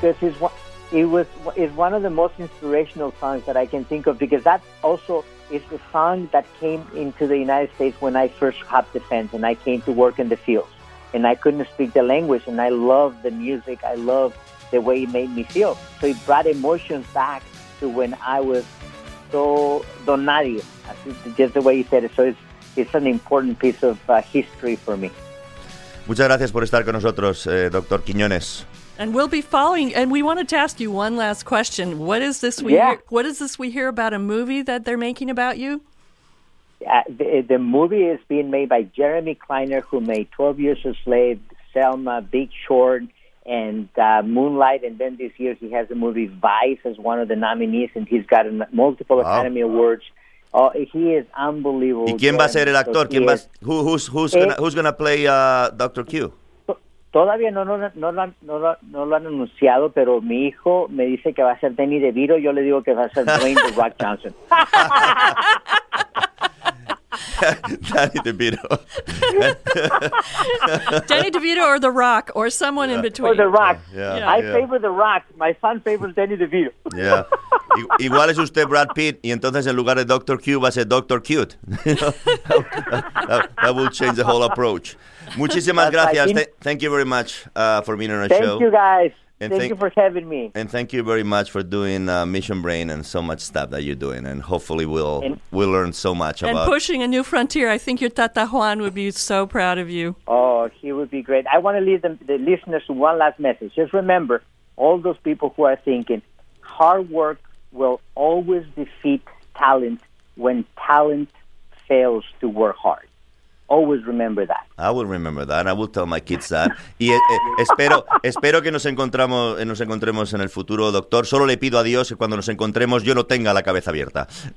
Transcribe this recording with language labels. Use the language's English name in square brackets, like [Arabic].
[English] It's one of the most inspirational songs that I can think of because that also is the song that came into the United States when I first hopped the fence and I came to work in the fields. And I couldn't speak the language and I love the music. I love the way it made me feel. So it brought emotions back to when I was so don nadie, just the way you said it. So it's an important piece of history for me. [Spanish] Muchas gracias por estar con nosotros, Dr. Quiñones. [English] And we'll be following, and we wanted to ask you one last question. What is this we hear about a movie that they're making about you? The movie is being made by Jeremy Kleiner, who made 12 Years a Slave, Selma, Big Short, and Moonlight. And then this year he has the movie Vice as one of the nominees, and he's gotten multiple Academy Awards. He is unbelievable. [Spanish] ¿Y quién va a ser el actor? [English] Who's going to play Dr. Q? [Spanish] Todavía no lo han anunciado, pero mi hijo me dice que va a ser Danny DeVito. Yo le digo que va a ser Dwayne The Rock Johnson. Danny DeVito. [English] Danny DeVito or The Rock or someone in between. Or The Rock. Favor The Rock. My son favors Danny DeVito. Yeah. [Spanish] Igual es usted Brad Pitt y entonces en lugar de Dr. Q va a ser Dr. Cute. [English] that will change the whole approach. [Spanish] Muchísimas gracias. [English] Thank you very much for being on our show. Thank you, guys. Thank you for having me. And thank you very much for doing Mission Brain and so much stuff that you're doing. And hopefully we'll learn so much about... And pushing a new frontier. I think your Tata Juan would be so proud of you. Oh, he would be great. I want to leave the listeners one last message. Just remember, all those people who are thinking, hard work will always defeat talent when talent fails to work hard. Always remember that. I will remember that. I will tell my kids that. [Spanish] Y espero que nos encontremos en el futuro, doctor. Solo le pido a Dios que cuando nos encontremos yo no tenga la cabeza abierta.